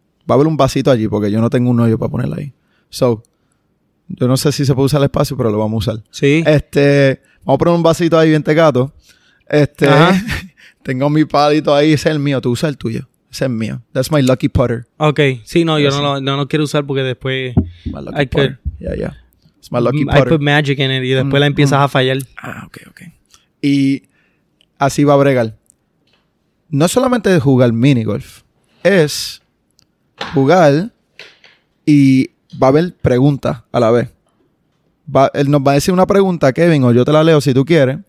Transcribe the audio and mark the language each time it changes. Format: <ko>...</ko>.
<es>Va a haber un vasito allí porque yo no tengo un hoyo para ponerlo ahí. So, yo no sé si se puede usar el espacio, pero lo vamos a usar. Sí. Vamos a poner un vasito ahí bien tecato. Ajá. Tengo mi palito ahí, ese es el mío, tú usa el tuyo, ese es mío.</es> <en>That's my lucky putter.</en> <es>Ok, sí, no, yo no lo quiero usar porque después...</es> <en>My lucky putter, It's my lucky putter. I put magic in it</en> <es>y después la empiezas a fallar. Ah, ok. Y así va a bregar. No solamente es jugar mini golf, es jugar y va a haber preguntas a la vez. Él nos va a decir una pregunta, Kevin, o yo te la leo si tú quieres.</es>